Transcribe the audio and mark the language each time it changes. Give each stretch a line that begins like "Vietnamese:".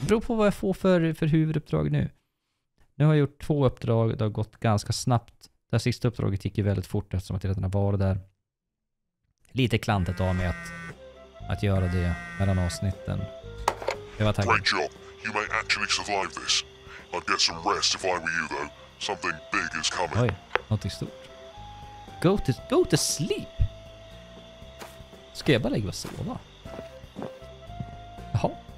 Swedish: Beror på vad jag får för huvuduppdrag nu. Nu har jag gjort två uppdrag. Det har gått ganska snabbt. Det sista uppdraget gick ju väldigt fort eftersom att jag redan var där. Lite klantet av mig att göra det mellan avsnitten. Jag var tacksam. Great job.
English: You may actually survive this. I'd get some rest if I were you though. Something big is coming.
Swedish: Oj, någonting stort. Go to sleep. Ska jag bara lägga och sova? Jaha.